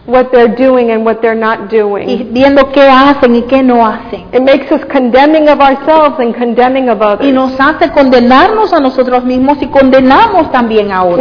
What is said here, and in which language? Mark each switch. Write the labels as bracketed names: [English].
[English] What they're doing and what they're not doing. [Spanish] Y viendo qué hacen y qué no hacen. [English] It makes us condemning of ourselves and condemning of others. [Spanish] Y nos hace condenarnos a nosotros mismos y condenamos también a otros.